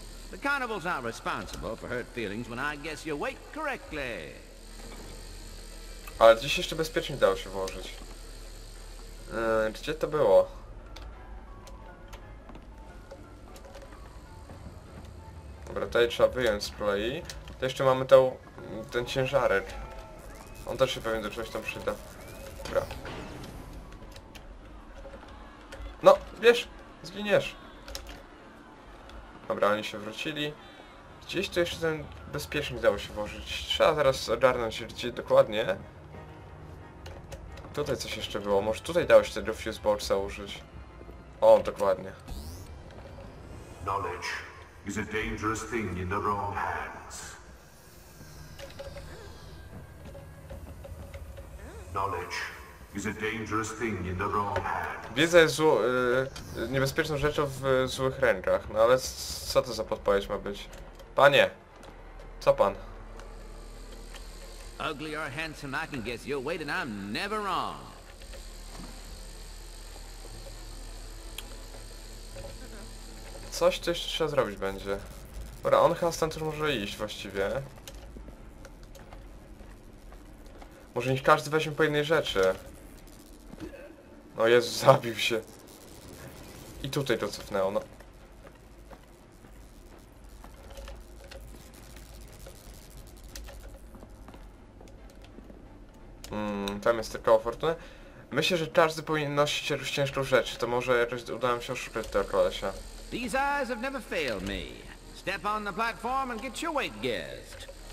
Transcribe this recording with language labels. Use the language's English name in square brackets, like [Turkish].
[English] The carnival's not responsible for hurt feelings when I guess you wait correctly. [Polish] Ale dziś jeszcze bezpiecznie dało się włożyć. Gdzie to było? Dobra, tutaj trzeba wyjąć z kolei. To jeszcze mamy ten ciężarek. On też się pewnie do czegoś tam przyda. Dobra. No, wiesz, zginiesz. Dobra, oni się wrócili. Gdzieś to jeszcze ten bezpiecznie dało się włożyć. Trzeba zaraz ogarnąć, gdzie dokładnie. Tutaj coś jeszcze było, może tutaj dało się tego fuse boxa użyć. O, dokładnie. [English] Knowledge is a dangerous thing in the wrong hands. Knowledge is a dangerous thing in the wrong hands. [Polish] Wiedza jest niebezpieczną rzeczą w złych rękach. No ale co to za podpowiedź ma być? Panie! Co pan? [English] Ugly or handsome, I can guess your weight and I'm never wrong. [Polish] Coś tu jeszcze trzeba zrobić będzie. Dobra, on chyba stąd już może iść właściwie. Może niech każdy weźmie po jednej rzeczy. No Jezu, zabił się. I tutaj to cofnęło, no. Tam jest tylko fortuna. Myślę, że każdy powinien nosić jakąś ciężką rzecz. To może jakoś uda nam się oszukać tego kolesia. [English] These eyes have never failed me. Step on the platform and get your weight guessed.